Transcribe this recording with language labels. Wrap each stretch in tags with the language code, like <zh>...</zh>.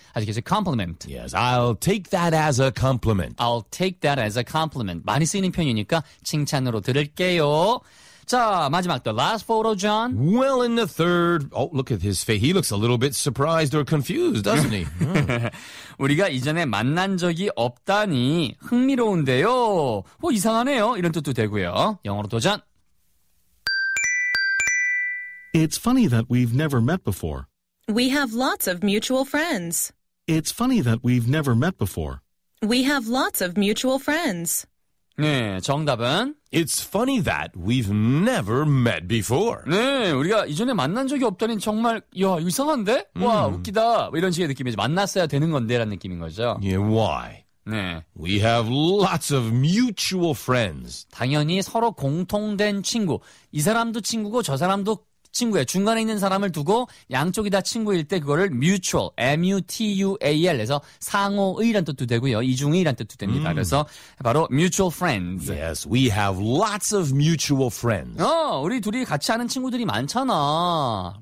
<ko>아직까지 compliment.</ko> <en>Yes, I'll take that as a compliment. I'll take that as a compliment.</en> <ko>많이 쓰이는 표현이니까 칭찬으로 들을게요. 자, 마지막,</ko> <en>the last photo,</en> <ko>John.</ko> <en>Well, in the third, oh, look at his face. He looks a little bit surprised or confused, doesn't he?</en> <ko>우리가 이전에 만난 적이 없다니 흥미로운데요. 뭐 이상하네요. 이런 뜻도 되고요. 영어로 도전.</ko> <en>It's funny that we've never met before. We have lots of mutual friends. It's funny that we've never met before. We have lots of mutual friends.</en> <ko>네, 정답은?</ko> <en>It's funny that we've never met before.</en> <ko>네, 우리가 이전에 만난 적이 없다니 정말, 야, 이상한데? 와, 웃기다. 뭐 이런 식의 느낌이지. 만났어야 되는 건데, 라는 느낌인 거죠.</ko> <en>Yeah, why?</en> <ko>네.</ko> <en>We have lots of mutual friends.</en> <ko>당연히 서로 공통된 친구. 이 사람도 친구고 저 사람도 친구야. 중간에 있는 사람을 두고 양쪽이 다 친구일 때 그거를 mutual, M-U-T-U-A-L 해서 상호의란 뜻도 되고요. 이중의란 뜻도 됩니다. 그래서 바로 mutual friends.</ko> <en>Yes, we have lots of mutual friends.</en> <ko>어, 우리 둘이 같이 하는 친구들이 많잖아.</ko>